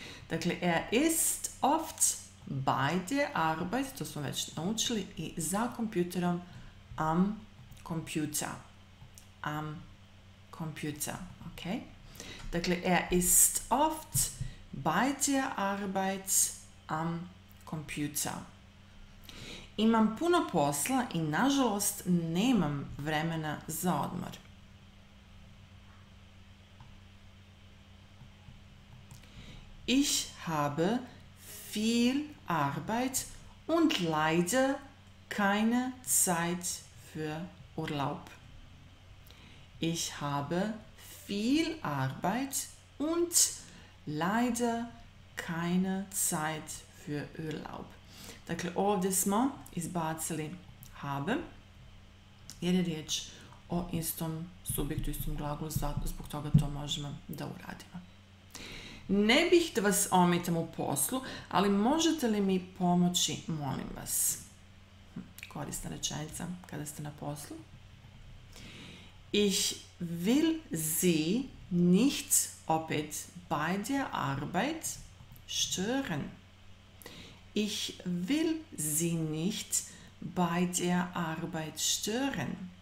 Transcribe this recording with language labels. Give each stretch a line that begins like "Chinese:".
Croatian: Dakle,
German: er ist oft bei der Arbeit,
Croatian: to smo već naučili, i za kompjuterom
German: am Computer. Am Computer, ok?
Croatian: Dakle,
German: er ist oft bei der Arbeit am Computer.
Croatian: Imam puno posla i, nažalost, nemam vremena za odmor.
German: Ich habe viel Arbeit und leider keine Zeit für Urlaub. Ich habe viel Arbeit und leider keine Zeit für Urlaub.
Croatian: Dakle, ovdje smo izbacili habe, jer je riječ o istom subjektu, istom glagolu, zbog toga to možemo da uradimo. Ne bih da vas ometam u poslu, ali možete li mi pomoći, molim vas? Korisna rečenica kada ste na poslu.
German: Ich will Sie nicht
Croatian: opet
German: bei der Arbeit stören. Ich will Sie nicht bei der Arbeit stören.